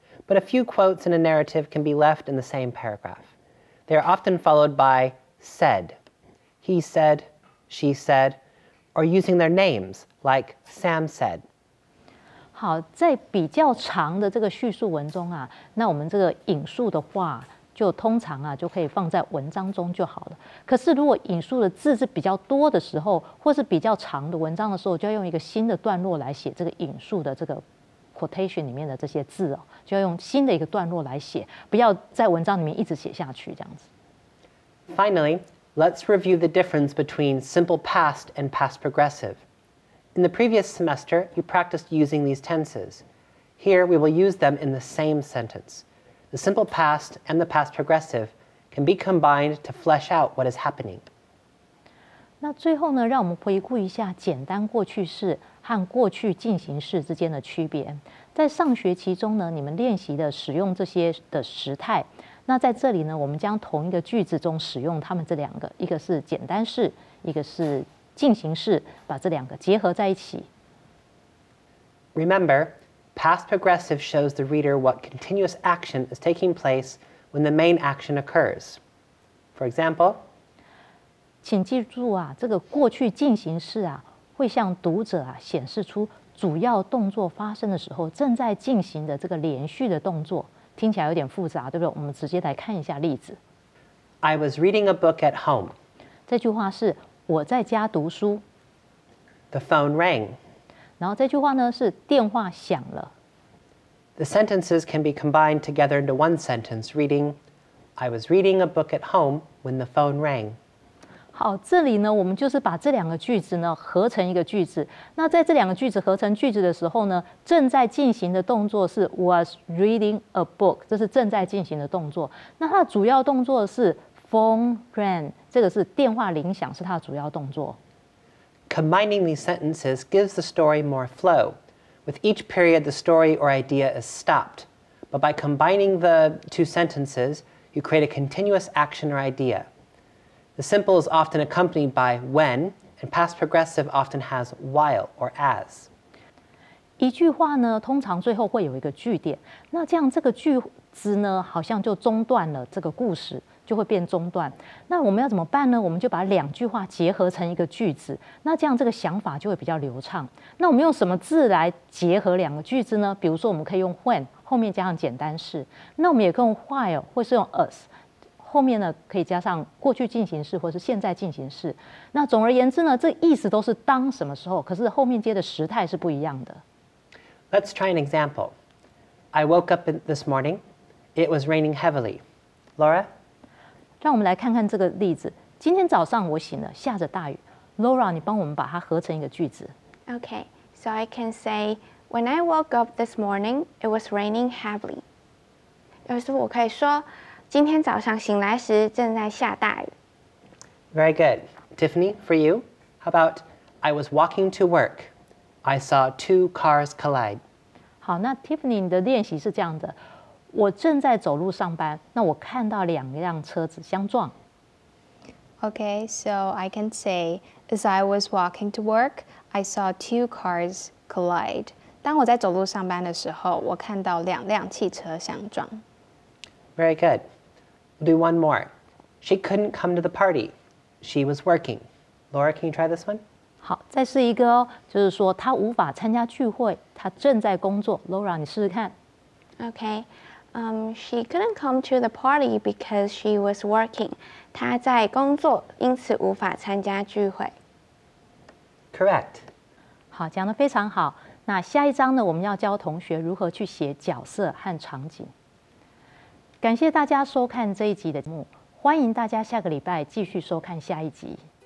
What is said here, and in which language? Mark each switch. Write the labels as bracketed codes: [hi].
[en] But a few quotes in a narrative can be left in the same paragraph. They are often followed by said, he said, she said, or using their names, like Sam said. [zh] 好，在比较长的这个叙述文中啊，那我们这个引述的话就通常啊就可以放在文章中就好了。可是如果引述的字是比较多的时候，或是比较长的文章的时候，就要用一个新的段落来写这个引述的这个 quotation 里面的这些字哦，就要用新的一个段落来写，不要在文章里面一直写下去这样子。 [en] Finally, let's review the difference between simple past and past progressive. In the previous semester, you practiced using these tenses. Here, we will use them in the same sentence. The simple past and the past progressive can be combined to flesh out what is happening. [zh] 那最后呢，让我们回顾一下简单过去式和过去进行式之间的区别。在上学期中呢，你们练习的使用这些的时态，那在这里呢，我们将同一个句子中使用它们这两个，一个是简单式，一个是进行式，把这两个结合在一起。 [en] Remember, past progressive shows the reader what continuous action is taking place when the main action occurs. For example, [zh] 请记住啊，这个过去进行式啊，会向读者啊显示出主要动作发生的时候正在进行的这个连续的动作。听起来有点复杂，对不对？我们直接来看一下例子。 [en] I was reading a book at home. [zh] 这句话是我在家读书。 [en] The phone rang. [zh] 然后这句话呢是电话响了。 [en] The sentences can be combined together into one sentence reading, I was reading a book at home when the phone rang. [zh] 好，这里呢我们就是把这两个句子呢合成一个句子。那在这两个句子合成句子的时候呢，正在进行的动作是 [en] was reading a book, [zh] 这是正在进行的动作。那它的主要动作是 [en] phone rang, [zh] 这个是电话铃响，是它的主要动作。 [en] Combining these sentences gives the story more flow. With each period, the story or idea is stopped. But by combining the two sentences, you create a continuous action or idea. The simple is often accompanied by when, and past progressive often has while or as. [zh] 一句话呢，通常最后会有一个句点，那这样这个句子呢，好像就中断了这个故事。就会变中断。那我们要怎么办呢？我们就把两句话结合成一个句子，那这样这个想法就会比较流畅。那我们用什么字来结合两个句子呢？比如说我们可以用 when 后面加上简单式，那我们也可以用 while 或是用 as 后面呢可以加上过去进行式或是现在进行式。那总而言之呢，这意思都是当什么时候，可是后面接的时态是不一样的。 [en] Let's try an example. I woke up this morning. It was raining heavily. Laura? [zh] 让我们来看看这个例子。今天早上我醒了，下着大雨。 Laura, 你帮我们把它合成一个句子。 [en] Okay, so I can say, when I woke up this morning, it was raining heavily. [zh] 有时候我可以说，今天早上醒来时正在下大雨。 [en] Very good. Tiffany, for you, how about, I was walking to work. I saw two cars collide. [zh] 好，那 Tiffany, 你的练习是这样的。我正在走路上班，那我看到两辆车子相撞。 [en] Okay, so I can say, as I was walking to work, I saw two cars collide. [zh] 当我在走路上班的时候，我看到两辆汽车相撞。 [en] Very good. We'll do one more. She couldn't come to the party. She was working. Laura, can you try this one? [zh] 好，再试一个哦，就是说她无法参加聚会，她正在工作。 Laura, 你试试看。 [en] Okay. She couldn't come to the party because she was working. [zh] 她在工作，因此无法参加聚会。 [en] Correct. [zh] 好，讲得非常好。那下一章呢，我们要教同学如何去写角色和场景。感谢大家收看这一集的节目，欢迎大家下个礼拜继续收看下一集。